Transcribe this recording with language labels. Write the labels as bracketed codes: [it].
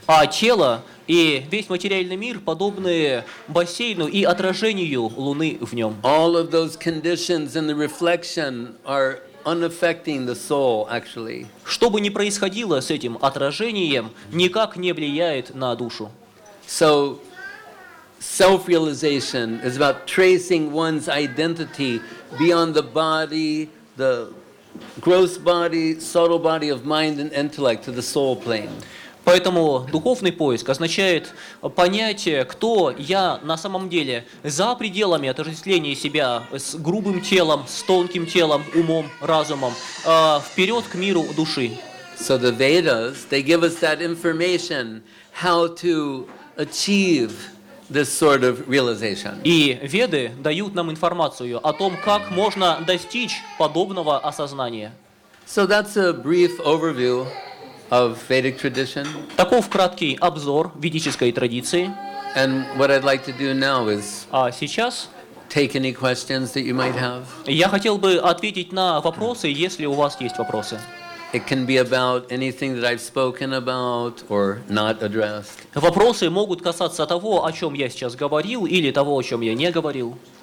[ru] А тело и весь материальный мир подобны бассейну и отражению луны в нем. [en] All of those conditions in the reflection are unaffecting the soul, actually. [ru] Что бы ни происходило с этим отражением, никак не влияет на душу. [en] So self-realization is about tracing one's identity beyond the body, the gross body, subtle body of mind and intellect to the soul plane. [ru] Поэтому духовный поиск означает понятие, кто я на самом деле, за пределами отождествления себя с грубым телом, с тонким телом, умом, разумом, вперед к миру души. [en] So the Vedas, they give us that information how to achieve this sort of realization. [ru] И Веды дают нам информацию о том, как можно достичь подобного осознания. [en] So that's a brief overview of Vedic tradition. [ru] Таков краткий обзор ведической традиции. [en] And what I'd like to do now is [ru] сейчас [en] take any questions that you might have. [ru] Я хотел бы ответить на вопросы, если у вас есть вопросы. [en] It can be about anything that I've spoken about or not addressed. [ru] Вопросы могут касаться того, о чём я сейчас говорил или того, о чём я не говорил.